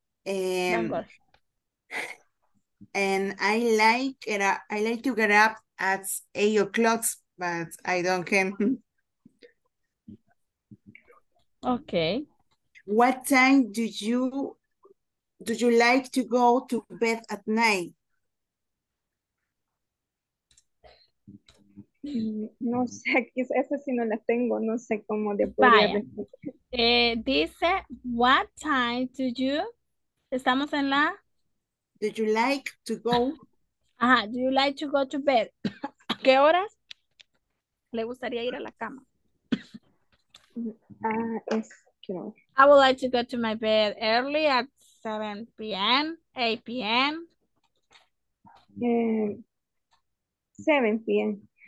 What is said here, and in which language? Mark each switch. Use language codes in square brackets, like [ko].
[en] I like to get up at 8 o'clock, but I don't can. Okay. What time do you like to go to bed at night? [es] No sé, ese sí no la tengo, no sé cómo de poder. Dice, [en] what time do you, [es] estamos en la. [en] Do you like to go? Ajá, do you like to go to bed? [es] ¿A qué horas le gustaría ir a la cama? [en] I would like to go to my bed early at 7 p.m., 8 p.m. 7 p.m.